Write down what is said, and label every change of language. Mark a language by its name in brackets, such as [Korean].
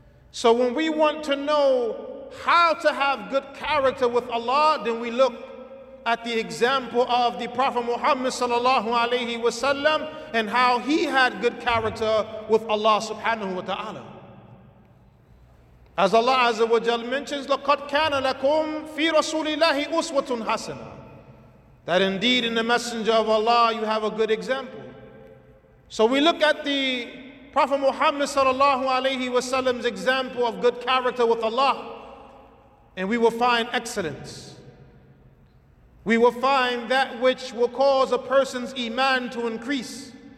[English] So when we want to know how to have good character with Allah, then we look at the example of the Prophet Muhammad sallallahu alayhi wasallam and how he had good character with Allah subhanahu wa ta'ala. As Allah azza wa jal mentions, [Arabic] لَقَدْ كَانَ لَكُمْ فِي رَسُولِ اللَّهِ أُسْوَةٌ حَسَنًا. [English] That indeed in the Messenger of Allah you have a good example. So we look at the Prophet Muhammad sallallahu alayhi wasallam's example of good character with Allah, and we will find excellence. We will find that which will cause a person's iman to increase.